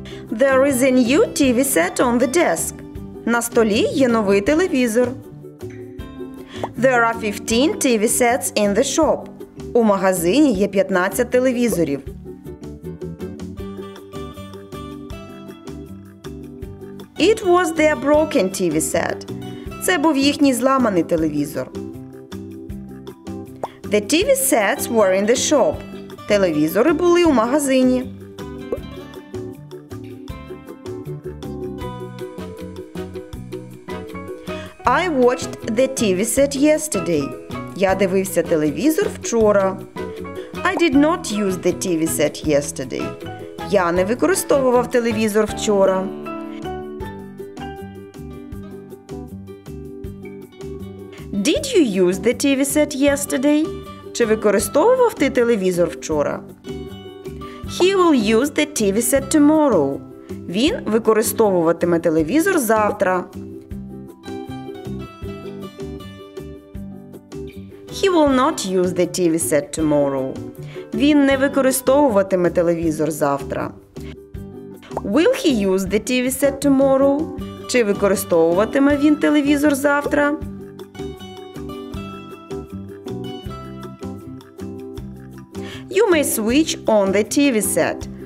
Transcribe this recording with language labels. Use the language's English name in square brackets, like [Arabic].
[English] There is a new TV set on the desk. [Ukrainian] На столі є новий телевізор. [English] There are 15 TV sets in the shop. [Ukrainian] У магазині є 15 телевізорів. [English] It was their broken TV set. [Ukrainian] Це був їхній зламаний телевізор. [English] The TV sets were in the shop. [Ukrainian] Телевізори були у магазині. [English] I watched the TV set yesterday. [Ukrainian] Я дивився телевізор вчора. [English] I did not use the TV set yesterday. [Ukrainian] Я не використовував телевізор вчора. [English] Did you use the TV set yesterday? [Ukrainian] Чи використовував ти телевізор вчора? [English] He will use the TV set tomorrow. [Ukrainian] Він використовуватиме телевізор завтра. [English] He will not use the TV set tomorrow. [Ukrainian] Він не використовуватиме телевізор завтра. [English] Will he use the TV set tomorrow? [Ukrainian] Чи використовуватиме він телевізор завтра? [English] You may switch on the TV set.